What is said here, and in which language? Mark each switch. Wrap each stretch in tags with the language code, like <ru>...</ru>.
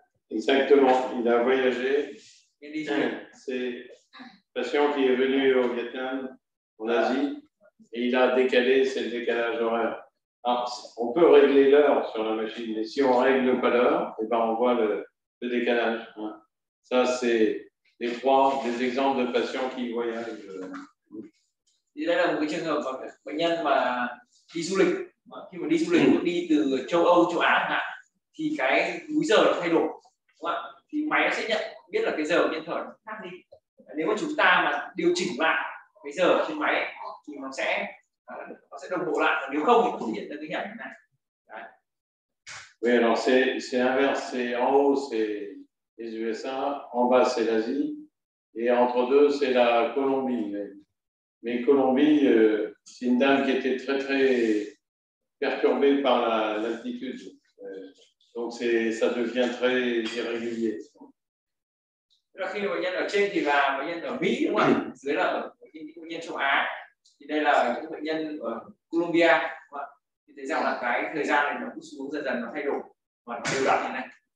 <fr>Exactement, il a voyagé. C'est un patient qui est venu au Vietnam, en Asie, et il a décalé, c'est le décalage horaire. Alors, on peut régler l'heure sur la machine, mais si on ne règle pas l'heure, et ben on voit le décalage. Hein. Ça, c'est les trois des exemples de patients qui voyagent.</fr> <vi>Thì đây là một cái trường hợp bệnh nhân mà đi du lịch, khi mà đi du lịch đi từ châu Âu, châu Á hả? Thì cái múi giờ nó thay đổi, đúng không ạ? Thì máy nó sẽ nhận biết là cái giờ nhân thở khác đi. Nếu mà chúng ta mà điều chỉnh lại cái giờ trên máy thì nó sẽ đồng bộ lại, còn nếu không thì không xuất hiện ra cái hiện tượng này. Đấy.</vi> <fr>Oui, alors c'est inverse, c'est en haut c'est les USA, en bas c'est l'Asie et entre deux c'est la Colombie. Mais Colombie, c'est une dame qui était très très perturbée par l'altitude. Donc ça devient très irrégulier.</fr> <vi>Khi bệnh nhân ở trên thì là bệnh nhân ở Mỹ đúng không ạ? Dưới là bệnh nhân châu Á. Thì đây là những bệnh nhân ở Colombia đúng không ạ? Thì thấy rằng là cái thời gian này nó cũng xuống dần dần nó thay đổi và nó đều đặn như này.</vi>